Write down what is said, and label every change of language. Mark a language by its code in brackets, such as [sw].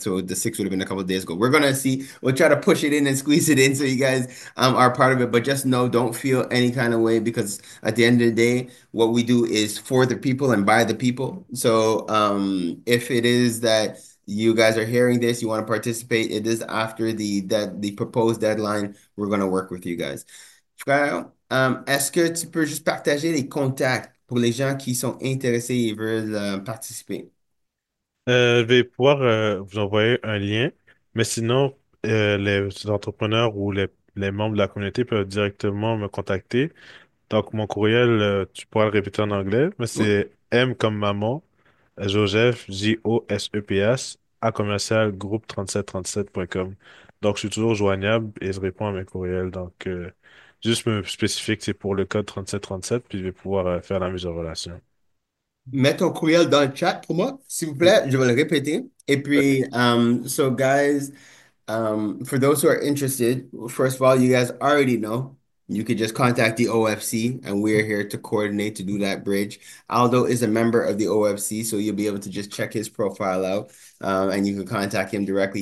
[en] So the 6th would have been a couple of days ago. We're going to see. We'll try to push it in and squeeze it in so you guys are part of it. But just know, don't feel any kind of way because at the end of the day, what we do is for the people and by the people. So if it is that you guys are hearing this, you want to participate, it is after the proposed deadline. We're going to work with you guys. [fr] Frère, est-ce que tu peux juste partager les contacts pour les gens qui sont intéressés et veulent participer? Je vais pouvoir vous envoyer un lien, mais sinon, les entrepreneurs ou les membres de la communauté peuvent directement me contacter. Donc, mon courriel, tu pourras le répéter en anglais, mais c'est M comme maman, Joseph, Josepas, à commercial groupe 3737.com. Donc, je suis toujours joignable et je réponds à mes courriels. Donc, juste me spécifier que c'est pour le code 3737, puis je vais pouvoir faire la mise en relation. Mets ton courriel dans le chat pour moi, s'il vous plaît. Je vais le répéter. Et puis, [en] so guys, for those who are interested, first of all, you guys already know, you could just contact the OFC and we're here to coordinate to do that bridge. Aldo is a member of the OFC, so you'll be able to just check his profile out and you can contact him directly.